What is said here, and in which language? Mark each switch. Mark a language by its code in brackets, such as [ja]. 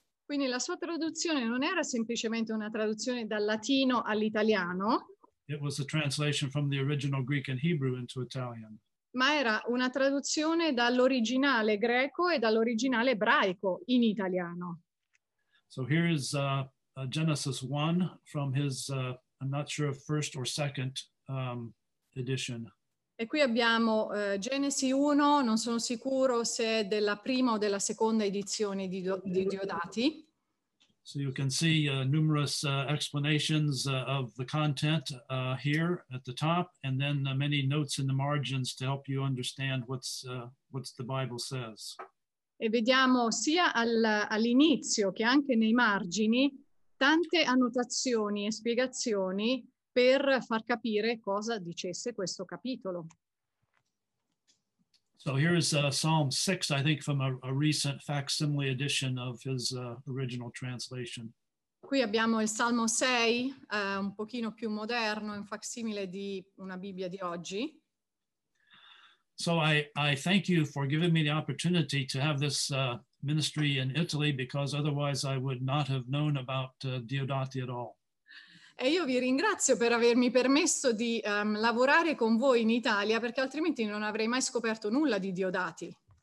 [it] Quindi la sua traduzione non era semplicemente una traduzione dal latino all'italiano. [en] It was a translation from the original Greek and Hebrew into Italian. [it] Ma era una traduzione dall'originale greco e dall'originale ebraico in italiano. [en] So here is Genesis 1 from his, I'm not sure if first or second edition. [it] E qui abbiamo Genesi 1, non sono sicuro se è della prima o della seconda edizione di Diodati. [en] So you can see numerous explanations of the content here at the top, and then many notes in the margins to help you understand what's the Bible says. [it] E vediamo sia all'inizio che anche nei margini tante annotazioni e spiegazioni per far capire cosa dicesse questo capitolo. [en] So here is Psalm 6, I think, from a recent facsimile edition of his original translation. [it] Qui abbiamo il Salmo 6, un pochino più moderno, un facsimile di una Bibbia di oggi. [en] So I thank you for giving me the opportunity to have this ministry in Italy, because otherwise I would not have known about Diodati at all. [it] E io vi ringrazio per avermi permesso di lavorare con voi in Italia, perché altrimenti non avrei mai scoperto nulla di Diodati.